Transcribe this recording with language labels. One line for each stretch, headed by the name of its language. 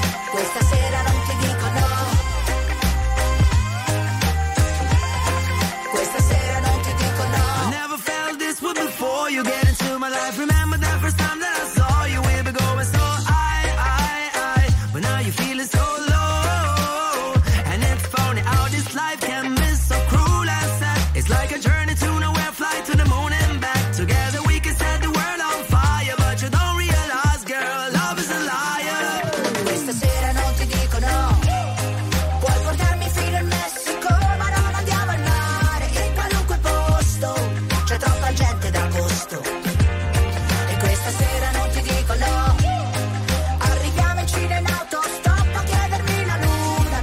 Italian: Questa sera non ti dico no. Questa sera non ti dico no.
English: I never felt this way before. You get into my life. Remember that first time that I saw you. We'll be going so high, high, high. But now you're feeling so low. And it's funny how this life can be so cruel and sad. It's like a journey to nowhere. Fly to the moon and back. Together we can set the world on fire. But you don't realize, girl, love is a liar.
Italian: Questa sera non ti dico no. Puoi portarmi fino in Messico, ma non andiamo al mare. In qualunque posto c'è troppa gente d'agosto. E questa sera non ti dico no. Arriviamo in Cina in autostop a chiedermi la luna.